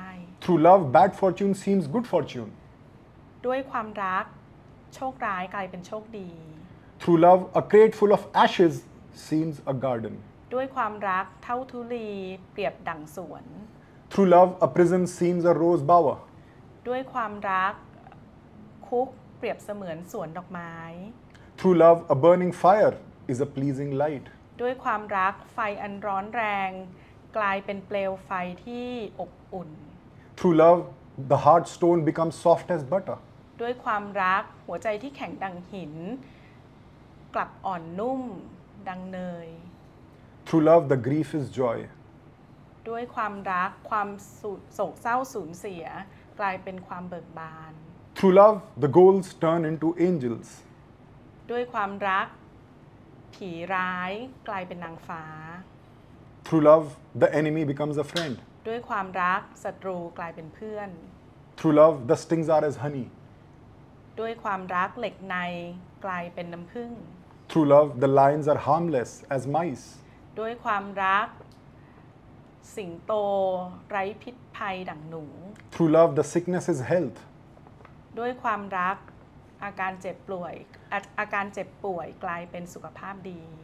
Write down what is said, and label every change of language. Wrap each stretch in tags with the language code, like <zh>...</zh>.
<en>Through love bad fortune seems good fortune</en> <th>ด้วยความรักโชคร้ายกลายเป็นโชคดี</th> <en>Through love a crate full of ashes seems a garden</en> <th>ด้วยความรักเท่าธุลีเปรียบดั่งสวน</th> <en>Through love, a prison seems a rose bower.</en> <th>ด้วยความรักคุกเปรียบเสมือนสวนดอกไม้</th> <en>Through love, a burning fire is a pleasing light.</en> <th>ด้วยความรักไฟอันร้อนแรงกลายเป็นเปลวไฟที่อบอุ่น</th> <en>Through love, the hard stone becomes soft as butter.</en> <th>ด้วยความรักหัวใจที่แข็งดังหินกลับอ่อนนุ่มดังเนย</th> <en>Through love, the grief is joy.</en> <th>ด้วยความรักความโศกเศร้าสูญเสียกลายเป็นความเบิกบาน</th> <en>Through love the ghouls turn into angels</en> <th>ด้วยความรักผีร้ายกลายเป็นนางฟ้า</th> <en>Through love the enemy becomes a friend</en> <th>ด้วยความรักศัตรูกลายเป็นเพื่อน</th> <en>Through love the stings are as honey</en> <th>ด้วยความรักเหล็กในกลายเป็นน้ำผึ้ง</th> <en>Through love the lions are harmless as mice</en> <th>ด้วยความรัก สิงโตไร้พิษภัยดั่งหนู</th> <en>True love the sickness is health</en> <th>ด้วยความรักอาการเจ็บป่วยอาการเจ็บป่วยกลายเป็นสุขภาพดี</th>